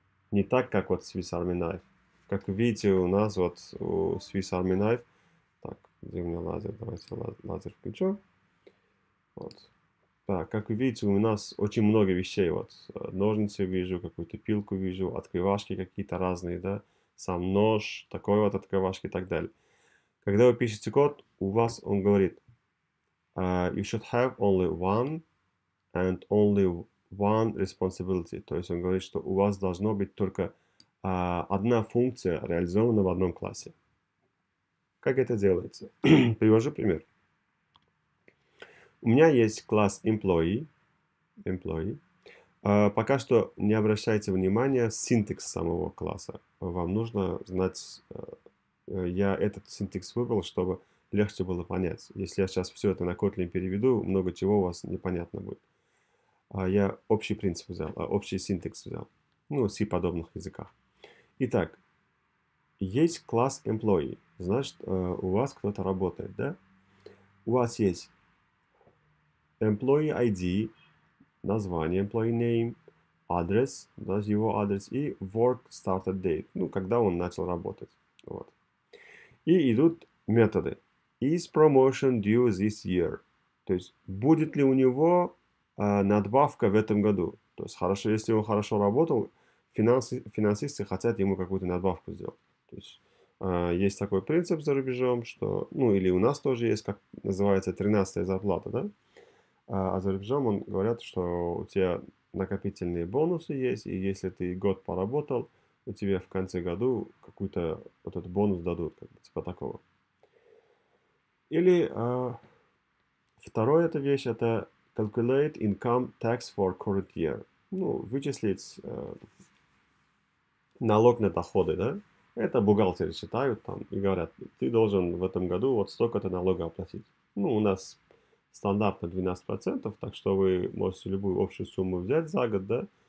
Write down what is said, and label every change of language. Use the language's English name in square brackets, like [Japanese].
[Russian] Не так, как вот Swiss Army Knife. Как видите, у нас вот у Swiss Army Knife. Так, где у меня лазер? Давайте лазер включу. Вот. Так, как вы видите, у нас очень много вещей. Вот ножницы вижу, какую-то пилку вижу, открывашки какие-то разные, да? Сам нож, такой вот открывашки и так далее. Когда вы пишете код, у вас он говорит, [English] you should have only one and only one responsibility. [Russian] То есть он говорит, что у вас должно быть только одна функция реализована в одном классе. Как это делается? Привожу пример. У меня есть класс employee. Пока что не обращайте внимания синтекс самого класса. Вам нужно знать, я этот синтекс выбрал, чтобы легче было понять. Если я сейчас все это на Kotlin переведу, много чего у вас непонятно будет. Я общий принцип взял, общий синтекс взял. Ну, C подобных языках. Итак, есть класс employee. Значит, у вас кто-то работает, да? У вас есть employee ID, название employee name, адрес, да, его адрес и [English] work started date, [Russian] ну, когда он начал работать. Вот. И идут методы. [English] Is promotion due this year? [Russian] То есть, будет ли у него надбавка в этом году? То есть, хорошо, если он хорошо работал, финансисты хотят ему какую-то надбавку сделать. То есть, есть такой принцип за рубежом, что, ну, или у нас тоже есть, как называется, 13-я зарплата, да? А за рубежом он говорят, что у тебя накопительные бонусы есть, и если ты год поработал, у тебя в конце году какой-то вот этот бонус дадут, как бы, типа такого. Или второе эта вещь, это [English] calculate income tax for current year. [Russian] Ну, вычислить налог на доходы, да? Это бухгалтеры считают там и говорят, ты должен в этом году вот столько-то налога оплатить. Ну, у нас стандартно 12%, так что вы можете любую общую сумму взять за год, да?